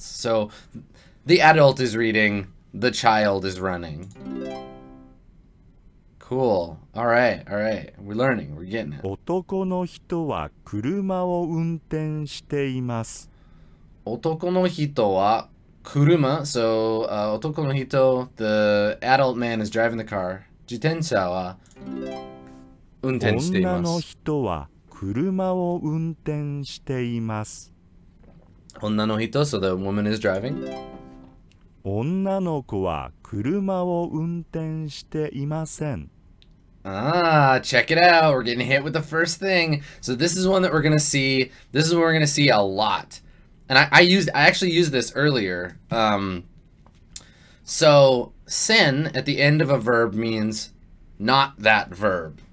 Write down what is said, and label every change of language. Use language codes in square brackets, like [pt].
[en] So, the adult is reading, the child is running. Cool. All right. We're learning. We're getting it. [ja] 男の人は車を運転しています。男の人は車。 [en] So, 男の人, the adult man is driving the car. [ja] 自転車は運転しています。女の人は車を運転しています。 [en] 女の人, so the woman is driving. [ja] 女の子は車を運転していません。 [en] Ah, check it out. We're getting hit with the first thing. So this is one that we're going to see. This is what we're going to see a lot. And I actually used this earlier. So sen at the end of a verb means not that verb.